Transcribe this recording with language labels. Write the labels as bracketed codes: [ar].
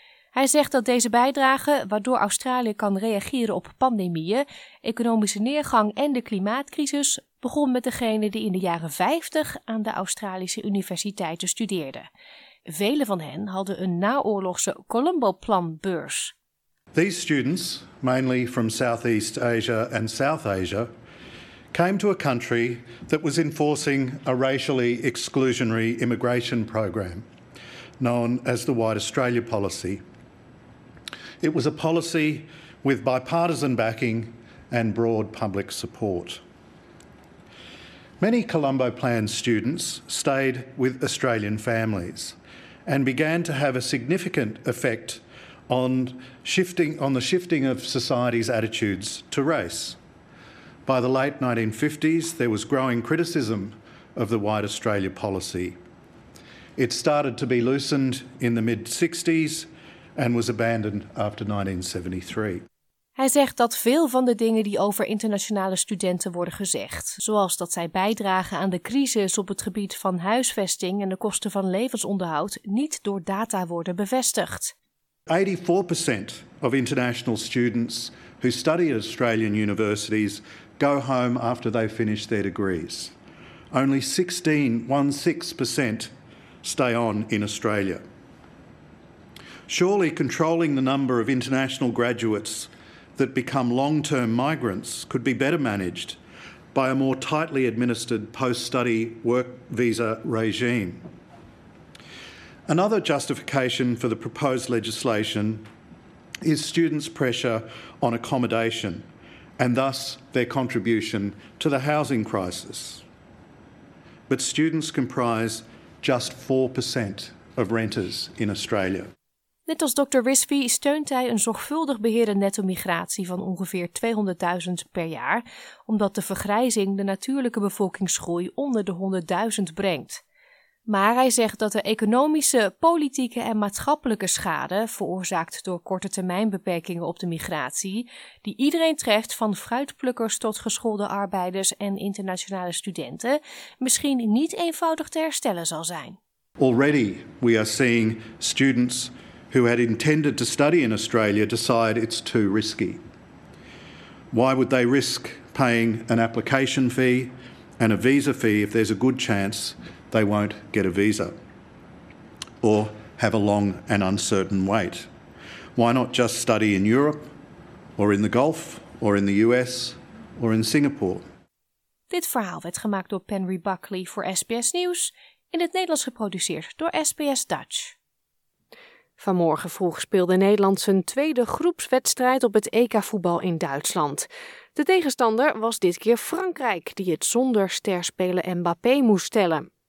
[nl] Hij zegt dat deze bijdrage, waardoor Australië kan reageren op pandemieën, economische neergang en de klimaatcrisis, begon met degene die in de jaren 50 aan de Australische universiteiten studeerden. Velen van hen hadden een naoorlogse Colombo-planbeurs. [en] These students, mainly from Southeast Asia and South Asia, came to a country that was enforcing a racially exclusionary immigration program, known as the White Australia Policy. It was a policy with bipartisan backing and broad public support. Many Colombo Plan students stayed with Australian families and began to have a significant effect on the shifting of society's attitudes to race. By the late 1950s, there was growing criticism of the White Australia policy. It started to be loosened in the mid-60s and was abandoned after 1973. [nl] Hij zegt dat veel van de dingen die over internationale studenten worden gezegd, zoals dat zij bijdragen aan de crisis op het gebied van huisvesting en de kosten van levensonderhoud, niet door data worden bevestigd. [en] 84% of international students who study at Australian universities go home after they finish their degrees. Only 16% stay on in Australia. Surely controlling the number of international graduates that become long-term migrants could be better managed by a more tightly administered post-study work visa regime. Another justification for the proposed legislation is students' pressure on accommodation and thus their contribution to the housing crisis. But students comprise just 4% of renters in Australia. [nl] Net als Dr. Wiswi steunt hij een zorgvuldig beheerde netto-migratie van ongeveer 200.000 per jaar, omdat de vergrijzing de natuurlijke bevolkingsgroei onder de 100.000 brengt. Maar hij zegt dat de economische, politieke en maatschappelijke schade, veroorzaakt door korte termijn beperkingen op de migratie, die iedereen treft van fruitplukkers tot geschoolde arbeiders en internationale studenten, misschien niet eenvoudig te herstellen zal zijn. [en] Already we are seeing students who had intended to study in Australia decide it's too risky. Why would they risk paying an application fee and a visa fee if there's a good chance they won't get a visa or have a long and uncertain wait? Why not just study in Europe or in the Gulf or in the US or in Singapore? [nl] Dit verhaal werd gemaakt door Penry Buckley voor SBS Nieuws, in het Nederlands geproduceerd door SBS Dutch. Vanmorgen vroeg speelde Nederland zijn tweede groepswedstrijd op het EK-voetbal in Duitsland. De tegenstander was dit keer Frankrijk, die het zonder sterspeler Mbappé moest stellen.